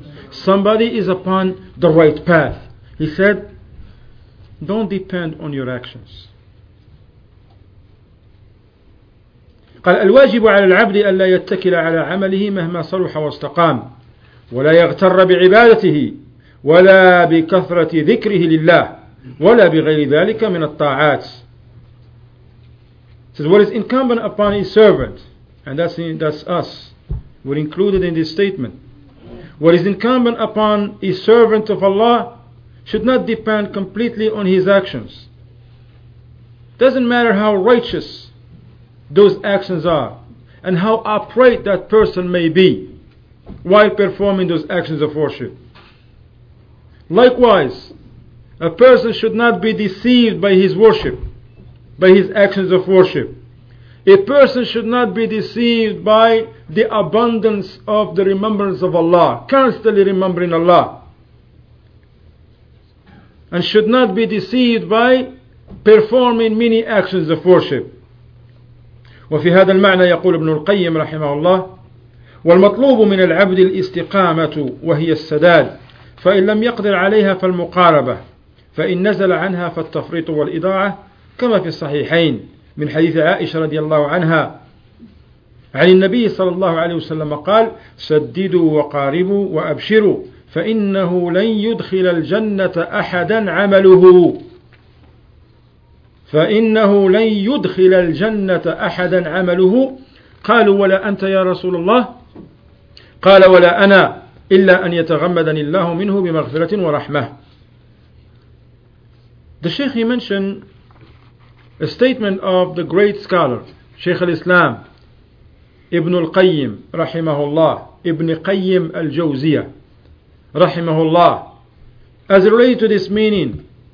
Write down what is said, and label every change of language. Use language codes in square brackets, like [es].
[en] Somebody is upon the right path. He said, don't depend on your actions. [ar] قال الواجب على العبد أن لا يتكل على عمله مهما صلح واستقام. ولا يغتر بعبادته ولا بكثرة ذكره لله ولا بغير ذلك من الطاعات. [en] It says, what is incumbent upon a servant, and that's us, we're included in this statement, what is incumbent upon a servant of Allah should not depend completely on his actions. Doesn't matter how righteous those actions are and how upright that person may be while performing those actions of worship. Likewise, a person should not be deceived by his worship, by his actions of worship. A person should not be deceived by the abundance of the remembrance of Allah, constantly remembering Allah. And should not be deceived by performing many actions of worship. [ar] وفي هذا المعنى يقول ابن القيم رحمه الله والمطلوب من العبد الاستقامة وهي السداد فإن لم يقدر عليها فالمقاربة فإن نزل عنها فالتفريط والإضاعة كما في الصحيحين من حديث عائشة رضي الله عنها عن النبي صلى الله عليه وسلم قال سددوا وقاربوا وأبشروا فإنه لن يدخل الجنة أحدا عمله فإنه لن يدخل الجنة أحدا عمله. قالوا ولا أنت يا رسول الله؟ قال ولا أنا إلا أن يتغمدني الله منه بمغفرة ورحمة. [en] The Sheikh, he mentioned a statement of the great scholar Sheikh al-Islam Ibn al-Qayyim rahimahullah, Ibn Qayyim al-Jawziya rahimahullah, as related to this meaning